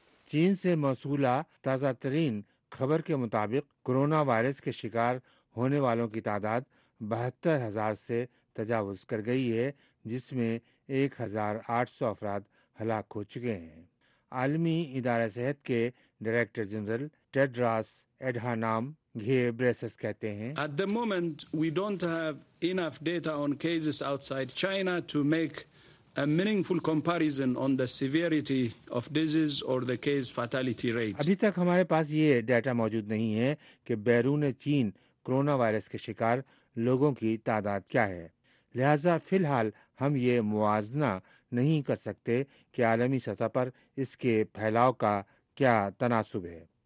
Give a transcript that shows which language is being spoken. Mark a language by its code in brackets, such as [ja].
[ur] چین سے موصولہ تازہ ترین خبر کے مطابق کرونا وائرس کے شکار ہونے والوں کی تعداد 72,000 سے تجاوز کر گئی ہے, جس میں 1,800 افراد ہلاک ہو چکے ہیں. عالمی ادارہ صحت کے ڈائریکٹر جنرل ٹیڈراس ایڈہانام گھیبریسس کہتے ہیں, [en] At the moment we don't have enough data on cases outside China to make a meaningful comparison on the severity of disease or the case fatality rate. [ur] ابھی تک ہمارے پاس یہ ڈیٹا موجود نہیں ہے کہ بیرون چین کرونا وائرس کے شکار لوگوں کی تعداد کیا ہے, لہذا فی الحال ہم یہ موازنہ نہیں کر سکتے کہ عالمی سطح پر اس کے پھیلاؤ کا کیا تناسب ہے.